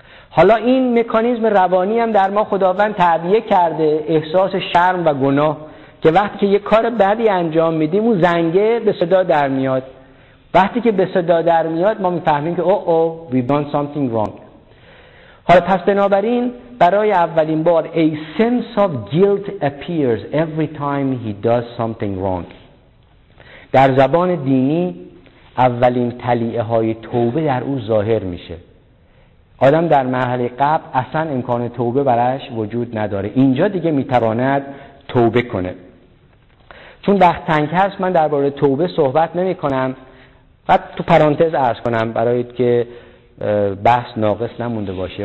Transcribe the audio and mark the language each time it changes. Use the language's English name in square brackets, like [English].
[Persian] حالا این مکانیزم روانی هم در ما خداوند تعبیه کرده، احساس شرم و گناه که وقتی که یه کار بدی انجام میدیم اون زنگه به صدا در میاد. وقتی که به صدا در میاد ما میفهمیم که [English] we've done something wrong. [Persian] حالا پس بنابراین برای اولین بار [English] a sense of guilt appears every time he does something wrong. [Persian] در زبان دینی اولین تلیعه های توبه در او ظاهر میشه. آدم در مرحله قبل اصلا امکان توبه براش وجود نداره، اینجا دیگه میتواند توبه کنه. چون وقت تنگ هست من درباره توبه صحبت نمی کنم، بعد تو پرانتز عرض کنم برای که بحث ناقص نمونده باشه.